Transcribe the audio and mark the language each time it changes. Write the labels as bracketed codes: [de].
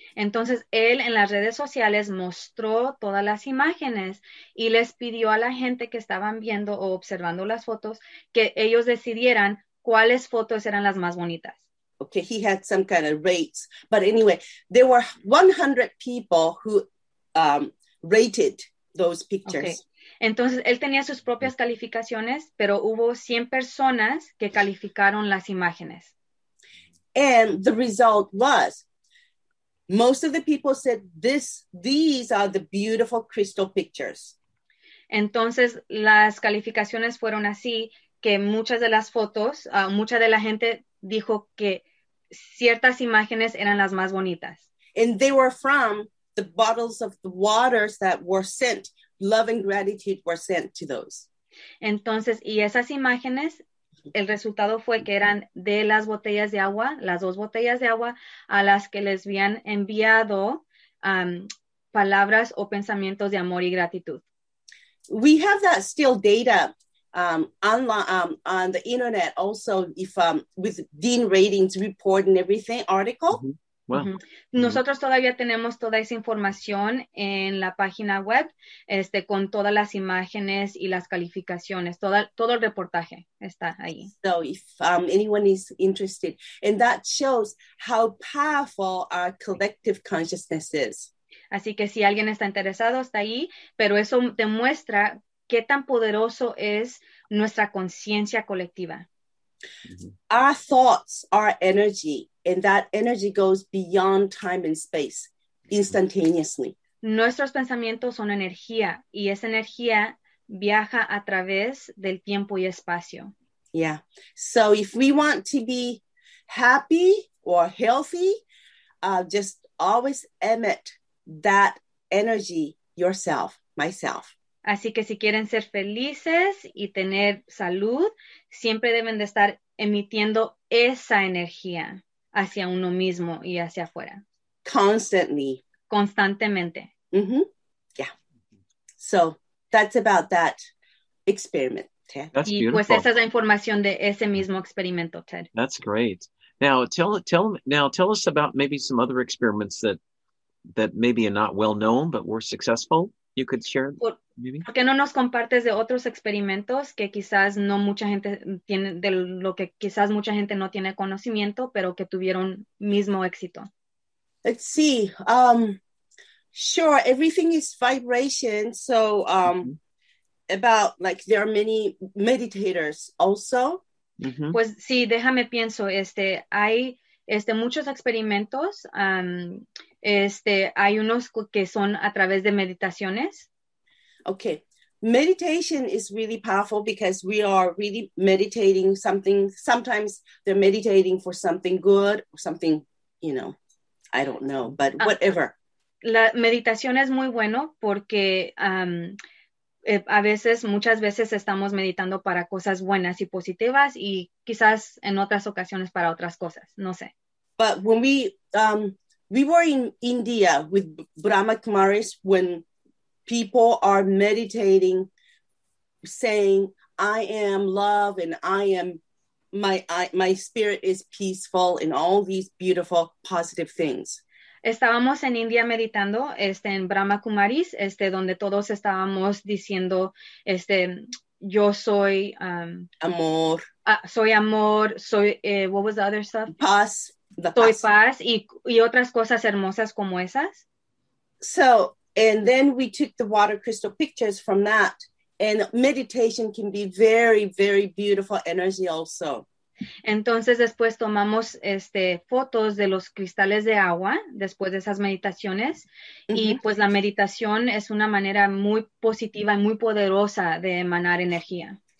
[es] Entonces, él en las redes sociales mostró todas las imágenes y les pidió a la gente que estaban viendo o observando las fotos que ellos decidieran cuáles fotos eran las más bonitas. [en] Okay, he had some kind of rates. But anyway, there were 100 people who rated those pictures. Okay. [es] Entonces, él tenía sus propias calificaciones, pero hubo 100 personas que calificaron las imágenes. [en] And the result was, most of the people said, these are the beautiful crystal pictures. [es] Entonces, las calificaciones fueron así, que muchas de las fotos, mucha de la gente dijo que ciertas imágenes eran las más bonitas. [en] And they were from the bottles of the waters that were sent. Love and gratitude were sent to those. [es] Entonces, y esas imágenes, el resultado fue que eran de las botellas de agua, las 2 botellas de agua, a las que les habían enviado palabras o pensamientos de amor y gratitud. [en] We have that still data on the internet also, if with Dean Radin's report and everything article. Mm-hmm. Mm-hmm. [es] Nosotros todavía tenemos toda esa información en la página web, con todas las imágenes y las calificaciones, todo el reportaje está ahí. [en] So if anyone is interested, and that shows how powerful our collective consciousness is. [es] Así que si alguien está interesado, está ahí, pero eso demuestra qué tan poderoso es nuestra conciencia colectiva. [en] Our thoughts are energy, and that energy goes beyond time and space instantaneously. [es] Nuestros pensamientos son energía, y esa energía viaja a través del tiempo y espacio. [en] Yeah. So if we want to be happy or healthy, just always emit that energy yourself, myself. [es] Así que si quieren ser felices y tener salud, siempre deben de estar emitiendo esa energía hacia uno mismo y hacia afuera. [en] Constantly. [es] Constantemente. [en] Mm-hmm. Yeah. So that's about that experiment. That's y beautiful. [es] Pues esa es la información de ese mismo experimento, Ted. [en] That's great. Now tell us about maybe some other experiments that maybe are not well known but were successful. You could share. [es] ¿Por qué no nos compartes de otros experimentos que quizás no mucha gente tiene, de lo que quizás mucha gente no tiene conocimiento, pero que tuvieron mismo éxito? [en] Let's see. Sure, everything is vibration, so about, like, there are many meditators also. Mm-hmm. [es] Pues sí, déjame pienso, hay muchos experimentos, hay unos que son a través de meditaciones. [en] Okay, meditation is really powerful because we are really meditating something, sometimes they're meditating for something good, or something, you know, I don't know, but whatever. [es] La meditación es muy bueno porque... a veces, muchas veces estamos meditando para cosas buenas y positivas y quizás en otras ocasiones para otras cosas, no sé. [en] But when we were in India with Brahma Kumaris, when people are meditating, saying, I am love and my spirit is peaceful and all these beautiful, positive things. [es] Estábamos en India meditando, en Brahma Kumaris, donde todos estábamos diciendo, yo soy... amor. Soy amor, soy... [en] what was the other stuff? [es] Paz. Soy paz y otras cosas hermosas como esas. [en] So, and then we took the water crystal pictures from that. And meditation can be very, very beautiful energy also. [es] Entonces después tomamos fotos de los cristales de agua después de esas meditaciones. Mm-hmm. Y pues la meditación es una manera muy positiva y muy poderosa de emanar energía.